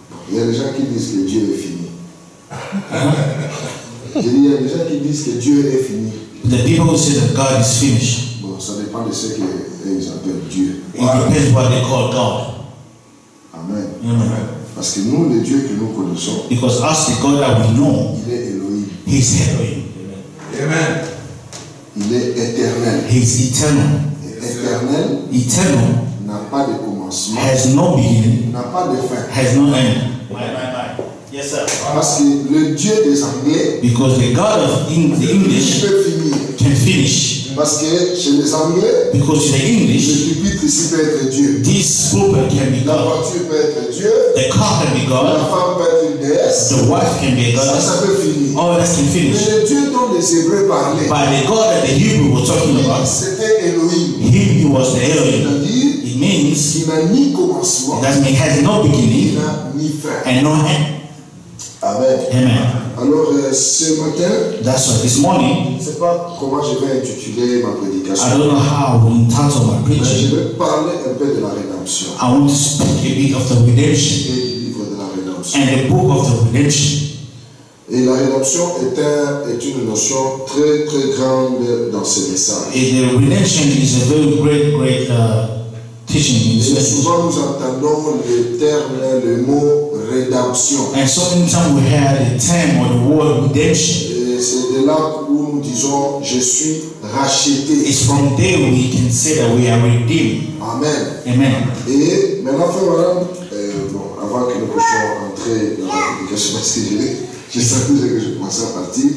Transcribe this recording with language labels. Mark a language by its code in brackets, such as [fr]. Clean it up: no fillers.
[fr] Il y a des gens qui disent que Dieu est fini. Il y a des gens qui disent que Dieu est fini. [en] The people who say that God is finished. [fr] Bon, ça dépend de ce qu'ils appellent Dieu. [en] It depends what they call God. Amen. Amen. [fr] Parce que nous, le Dieu que nous connaissons, [en] because us, the God that we know, [fr] il est Elohim. [en] He is Elohim. Amen. [fr] Il est éternel. [en] He is eternal. [fr] Éternel. [en] Eternal. [fr] N'a pas de commencement. [en] Has no beginning. [fr] N'a pas de fin. [en] Has no end. My. Yes, sir. [fr] Parce que le Dieu des Anglais, [en] because the God of the English can finish. [fr] Parce que chez les Anglais, [en] because in the English, [fr] le pupitre ici peut être Dieu. [en] This pulpit can be God. [fr] La voiture peut être Dieu. [en] The car can be God. [fr] La femme peut être une déesse. [en] The wife can be God. [fr] Ça peut finir. [en] All that can finish. [fr] Mais le Dieu dont les Hébreux parlaient, [en] by the God that the Hebrew was talking about, [fr] c'était Elohim. [en] Him, he was the Elohim. It means [fr] qu'il n'a ni commencement, [en] that he has no beginning, [fr] ni fin, [en] and no end. Amen. Amen. [fr] Alors ce matin, [en] that's what, this morning, [fr] je ne sais pas comment je vais intituler ma prédication. [en] I don't know how I will entitle my preaching. [fr] Je vais parler un peu de la rédemption. [en] I want to speak a bit of the redemption. [fr] Et du livre de la rédemption. [en] And the book of the redemption. [fr] Et la rédemption est une notion très très grande dans ce message. [en] And the redemption is a very great teaching. [fr] Et souvent nous entendons le terme, le mot. Rédemption. [en] And so in time we hear the term or the word redemption. [fr] C'est de là où nous disons je suis racheté. [en] It's from there we can say that we are redeemed. Amen. Amen. [fr] Et maintenant, frère madame, avant que nous puissions entrer dans la prédication, parce que je sais que je commence à partir.